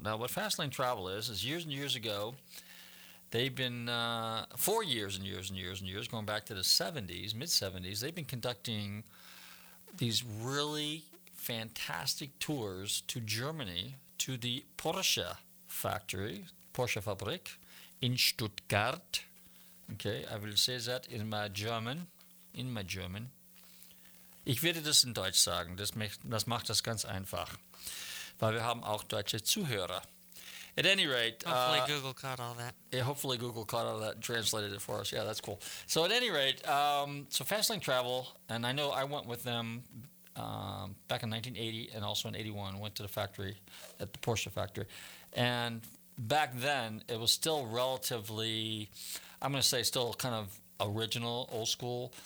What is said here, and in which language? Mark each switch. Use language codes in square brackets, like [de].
[en] Now, what Fastlane Travel is years and years ago, they've been, for years and years and years and years, going back to the 70s, mid-70s, they've been conducting these really fantastic tours to Germany, to the Porsche factory, Porsche Fabrik, in Stuttgart. Okay, I will say that in my German, [de] Ich werde das in Deutsch sagen, das macht das ganz einfach, weil wir haben auch deutsche Zuhörer. [en] At any rate, hopefully Google caught all that. Yeah, hopefully Google caught all that and translated it for us. Yeah, that's cool. So at any rate, so Fastlane Travel, and I know I went with them back in 1980 and also in 81, went to the factory, at the Porsche factory. And back then, it was still relatively, I'm going to say still kind of original, old school.